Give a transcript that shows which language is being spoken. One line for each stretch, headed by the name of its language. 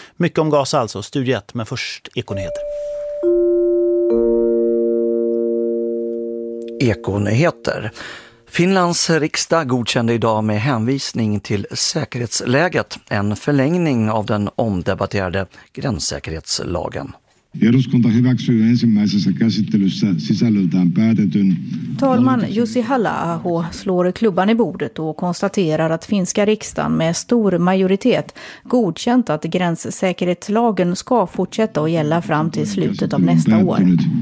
Swedish: Mycket om Gaza alltså, Studio 1, men först ekonyheter. Ekonyheter. Finlands riksdag godkände idag med hänvisning till säkerhetsläget en förlängning av den omdebatterade gränssäkerhetslagen.
Finnish: Eduskunta hyväksyy ensimmäisessä käsittelyssä sisällöltään päätetyn.
Swedish: Talman Jussi Halla-aho slår klubban i bordet och konstaterar att finska riksdagen med stor majoritet godkänt att gränssäkerhetslagen ska fortsätta att gälla fram till slutet av nästa år.